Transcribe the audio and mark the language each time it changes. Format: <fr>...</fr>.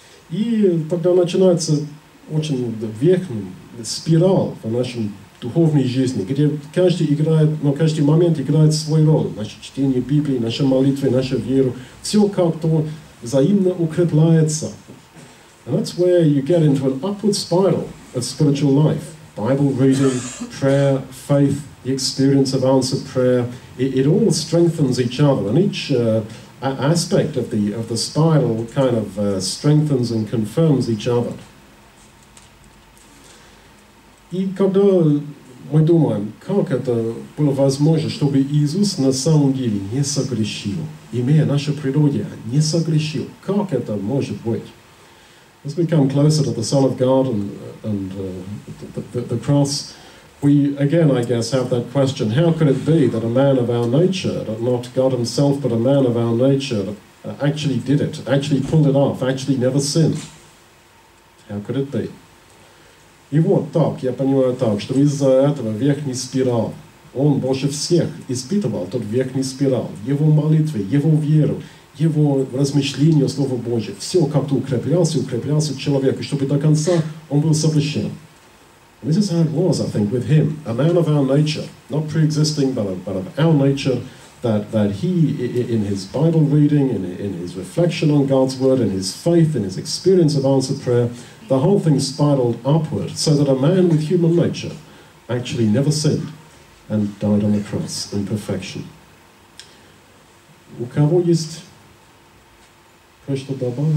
<ru>И тогда начинается очень верхняя спираль в нашем духовной жизни, где каждый играет, но каждый момент играет свою роль. Наше чтение Библии, наша молитва, наша вера, все как-то взаимно укрепляется.</ru> <en>And that's where you get into an upward spiral of spiritual life. Bible reading, prayer, faith, the experience of answered prayer. It all strengthens each other, and each aspect of the spiral kind of strengthens and confirms each other.</en> <ru>И когда мы думаем, как это было возможно, чтобы Иисус на самом деле не согрешил, имея наше природе, не согрешил, как это может быть?</ru> <en>As we come closer to the Son of God and the cross, we again, I guess, have that question, how could it be that a man of our nature, that not God himself, but a man of our nature, actually did it, actually pulled it off, actually never sinned? How could it be?</en> <ru>И вот так, я понимаю так, что из-за этого верхней спирали, он больше всех испытывал тот верхней спираль, его молитвы, его веру, его размышления о Слове Божьем, все как-то укреплялся и укреплялся человек, и чтобы до конца он был совершен.</ru> <en>This is how it was, I think, with him, a man of our nature, not pre-existing, but of our nature, that he, in his Bible reading, in his reflection on God's Word, in his faith, in his experience of answered prayer, the whole thing spiraled upward, so that a man with human nature actually never sinned and died on the cross in perfection.</en> <ru>У кого есть кое-что добавить?</ru>